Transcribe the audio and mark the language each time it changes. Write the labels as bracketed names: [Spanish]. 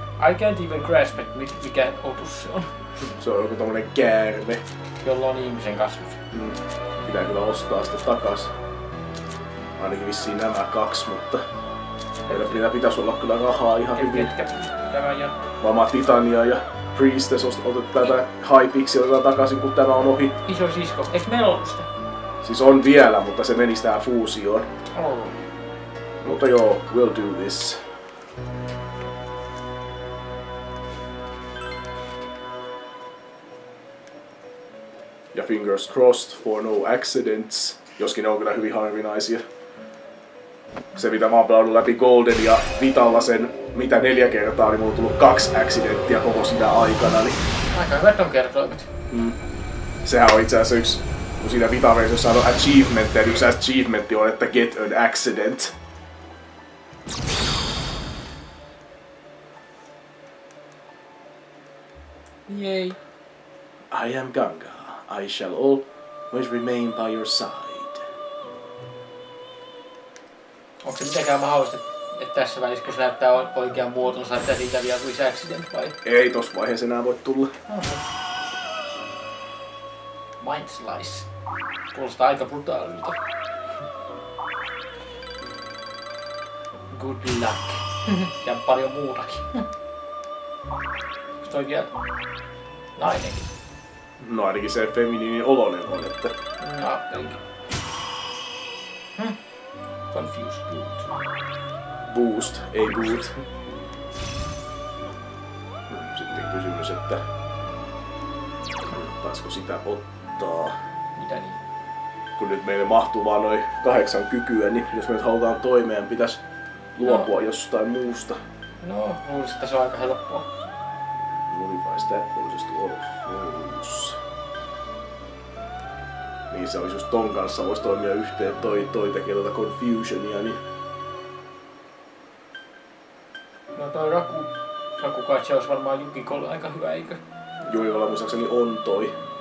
[English] I can't even grasp it, [Finnish] mikä otus se on. Se on joku tommonen käärme. Jolla on ihmisen kasvus. Pitää kyllä ostaa sitä takas. Ainakin vissiin nämä kaksi, mutta... Meillä pitäisi olla kyllä rahaa ihan hyvin. Ketkä tämä ja... Vama Titania ja Priestess otetaan tätä Hypixia otetaan takaisin, kun tämä on ohi. Iso sisko, eikö meillä ollut sitä? Siis on vielä, mutta se menisi tähän fuusioon. Mutta joo, [English] we'll do this. [Finnish] Ja [English] fingers crossed for no accidents. [Finnish] Joskin ne on kyllä hyvin harvinaisia. Se mitä mä oon pelannut läpi Golden ja Vitalla sen, mitä 4 kertaa, niin mulla on tullut 2 accidenttiä koko sitä aikana, niin... Aika hyvät on kertoimet. Sehän on itse asiassa yks, kun siinä Vita-versiossa on achievement, ja yks achievementti on, että [English] get an accident. [Finnish] Yay. [English] I am Ganga. I shall always remain by your side. [Finnish] Onko se mitenkään mahdollista, että tässä välissä, kun se näyttää oikean muotonsa, että siitä vielä tulisi accident vai? Ei tossa vaiheessa enää voi tulla. [English] Mind slice. [Finnish] Kuulostaa aika brutaalilta. [English] Good luck. [Finnish] Ja paljon muutakin. Onko toi vielä nainenkin? No ainakin se feminiini olonen on, että... No, ainakin. [English] Confused boot. [Finnish] Boost, ei boot. Sitten kysymys, että... Taisiko sitä ottaa? Mitä niin? Kun nyt meille mahtuu vaan noin 8 kykyä, niin jos me nyt halutaan toimeen, pitäis luopua jostain muusta. No, luulisin, että se on aika helppoa. [English] Modifice that bonus to all fools. [Finnish] Niin se olisi just ton kanssa, voisi toimia yhteen toi tekee tuota confusionia, niin... No toi Raku kai se olisi varmaan Jukikolle aika hyvä, eikö? Joo, jolla muistaakseni on toi.